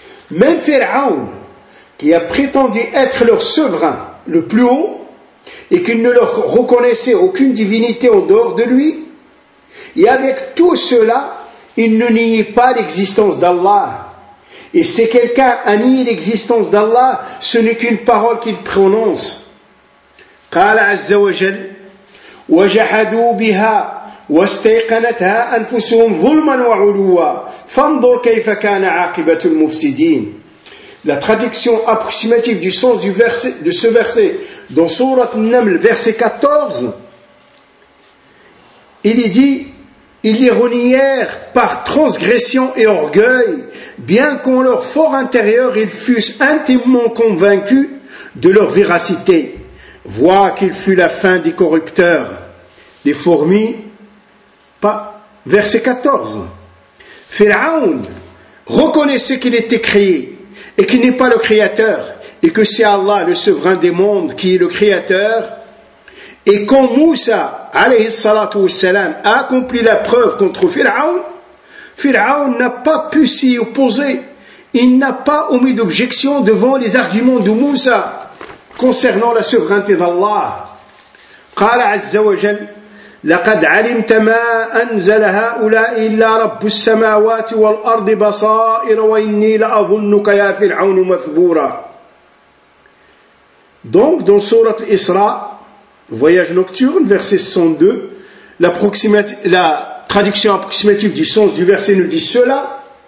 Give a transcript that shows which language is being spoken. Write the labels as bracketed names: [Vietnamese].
[French] Même Pharaon, qui a prétendu être leur souverain le plus haut et qu'il ne leur reconnaissait aucune divinité en dehors de lui, et avec tout cela, il ne niait pas l'existence d'Allah. Et si quelqu'un a nié l'existence d'Allah, ce n'est qu'une parole qu'il prononce. [Arabic] قال عز وجل وجحدوا بها واستيقنتها أنفسهم ظلما وعلوا فانظر كيف كان عاقبة المفسدين. [French] La traduction approximative du sens de ce verset dans Sourate An-Naml, verset 14, il y dit: ils les renièrent par transgression et orgueil, bien qu'en leur fort intérieur ils fussent intimement convaincus de leur véracité. Vois qu'il fut la fin des corrupteurs. Les fourmis, pas verset 14. Pharaon reconnaissait qu'il était créé et qu'il n'est pas le créateur et que c'est Allah, le souverain des mondes, qui est le créateur. Et quand Moussa, alayhi salatu wassalam, a accompli la preuve contre Pharaon, Pharaon n'a pas pu s'y opposer. Il n'a pas omis d'objection devant les arguments de Moussa concernant la souveraineté d'Allah. [Arabic] قال عز وجل لقد علمت ما أنزل هؤلاء إلا رب السماوات والأرض بصائر وإني لأظنك يا فرعون مثبورا. [French] Donc dans sourate Isra, Voyage nocturne, verset 102, la traduction approximative du sens du verset nous dit cela.